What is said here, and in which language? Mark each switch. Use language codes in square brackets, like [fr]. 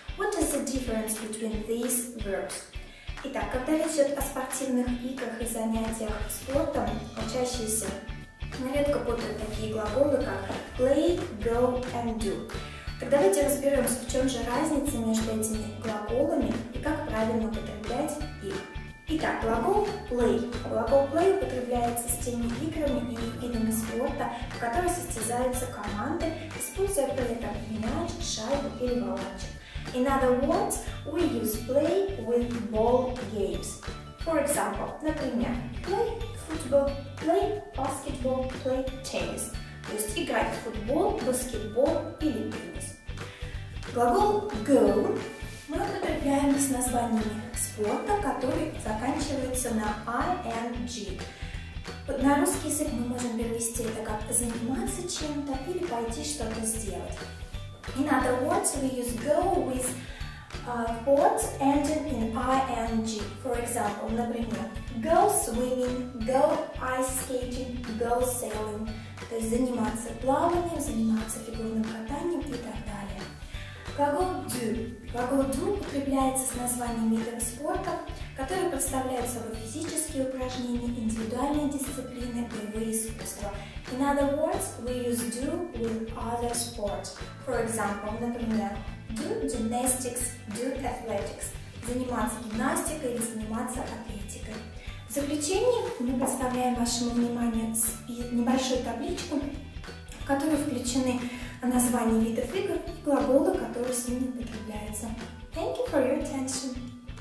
[en] What is the difference between these verbs? [ru] Итак, когда речь идет о спортивных играх и занятиях спортом, учащиеся нередко путают такие глаголы, как [en] play, go and do. [ru] Так давайте разберемся, в чем же разница между этими глаголами и как правильно употреблять их. Итак, глагол play. Глагол play употребляется с теми играми и видами спорта, в которых состязаются команды, используя при этом мяч, шайбу или волочек. [en] In other words, we use play with ball games. For example, [ru] например, [en] play football, play basketball, play tennis. [ru] То есть играть в футбол, баскетбол или теннис. Глагол go мы употребляем с названиями спорта, которые заканчиваются на ing. На русский язык мы можем перевести это как заниматься чем-то или пойти что-то сделать. [en] In other words, we use go with words ending in ing. For example, [ru] например, [en] go swimming, go ice skating, go sailing. [ru] То есть заниматься плаванием, заниматься фигурным катанием и так далее. Глагол do. Глагол do употребляется с названием видов спорта, которые представляют собой физические упражнения, индивидуальные дисциплины, боевые искусства. [en] In other words, we use do with other sports. For example, [ru] например, [en] do gymnastics, do athletics. [ru] Заниматься гимнастикой или заниматься атлетикой. В заключение мы представляем вашему вниманию небольшую табличку, в которую включены названия видов игр и глаголы, которые с ними употребляются. [en] Thank you for your attention.